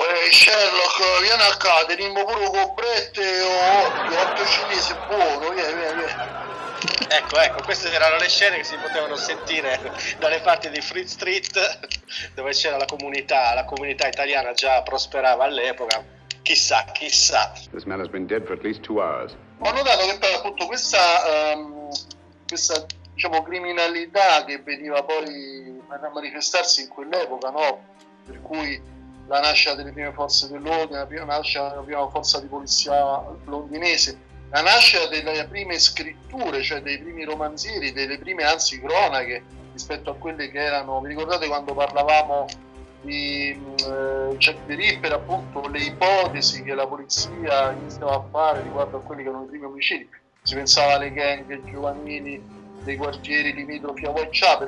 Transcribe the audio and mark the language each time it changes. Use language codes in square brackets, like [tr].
[it] Sherlock, vieni a casa, tenimmo pure un cobrette o otto cinesi, buono, vieni. Ecco, queste erano le scene che si potevano sentire dalle parti di Fleet Street, dove c'era la comunità italiana già prosperava all'epoca. Chissà. [en] This man has been dead for at least 2 hours. [it] Ho notato che poi appunto questa diciamo criminalità che veniva poi a manifestarsi in quell'epoca, no? Per cui la nascita delle prime forze dell'ordine, la prima nascita della prima forza di polizia londinese, la nascita delle prime scritture, cioè dei primi romanzieri, delle prime anzi cronache rispetto a quelle che erano, vi ricordate quando parlavamo di Jack the Ripper, appunto le ipotesi che la polizia iniziava a fare riguardo a quelli che erano i primi omicidi, si pensava alle gang giovanili dei quartieri limitrofi a Whitechapel.